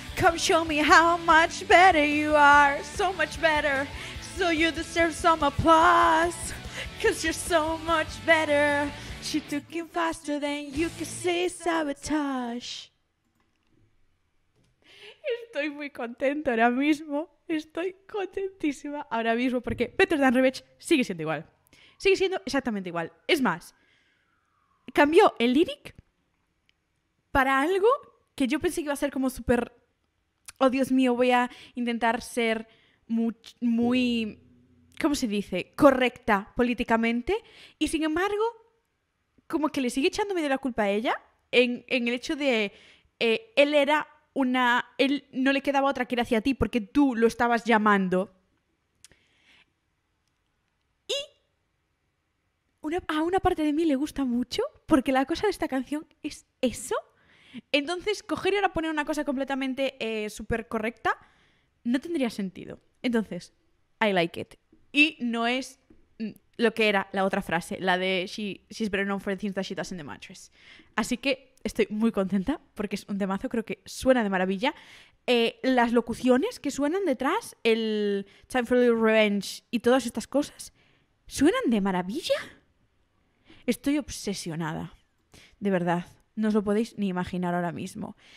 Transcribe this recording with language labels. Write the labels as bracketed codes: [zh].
[en] Come show me how much better you are. So much better. So you deserve some applause. Cause you're so much better. She took him faster than you could say sabotage. [es] Estoy muy contenta ahora mismo. Estoy contentísima ahora mismo porque Better Than Revenge sigue siendo igual. Sigue siendo exactamente igual. Es más, cambió el lyric para algo que yo pensé que iba a ser como súper... Oh, Dios mío, voy a intentar ser muy... ¿Cómo se dice? Correcta políticamente. Y sin embargo, como que le sigue echando medio la culpa a ella en el hecho de... él era... él no le quedaba otra que ir hacia ti porque tú lo estabas llamando. Y a una parte de mí le gusta mucho porque la cosa de esta canción es eso. Entonces, coger y ahora poner una cosa completamente súper correcta no tendría sentido. [en] Entonces, I like it. [es] Y no es lo que era la otra frase, la de [en] she's better known for the things that she does in the mattress. [es] Así que estoy muy contenta porque es un temazo, creo que suena de maravilla. Las locuciones que suenan detrás, el Time for the Revenge y todas estas cosas, ¿suenan de maravilla? Estoy obsesionada, de verdad. No os lo podéis ni imaginar ahora mismo.